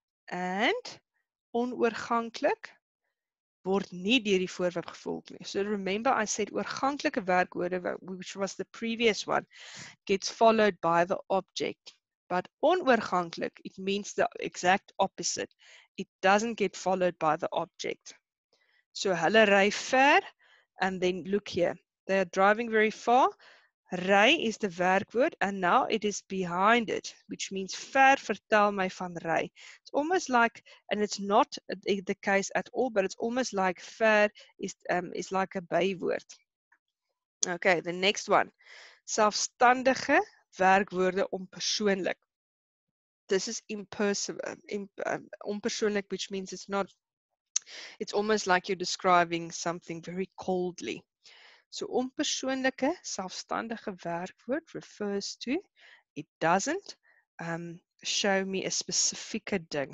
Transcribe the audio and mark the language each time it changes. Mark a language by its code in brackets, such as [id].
[af] And onoorganklik word nie deur die voorwerp gevolg nie. [en] So remember I said oorganklike werkwoorde, which was the previous one, gets followed by the object. But onoorganklik, it means the exact opposite. It doesn't get followed by the object. So [af] hulle ry ver, [en] and then look here. They are driving very far. Ry is the werkwoord, and now it is behind it, which means [af] ver vertel my van ry. [en] It's almost like, and it's not the case at all, but it's almost like ver is like a bywoord. Okay, the next one. [af] Selfstandige werkwoorde onpersoonlik. [en] This is onpersoonlik, which means it's not, it's almost like you're describing something very coldly. So onpersoonlike selfstandige werkwoord refers to, it doesn't show me a [af] spesifieke ding.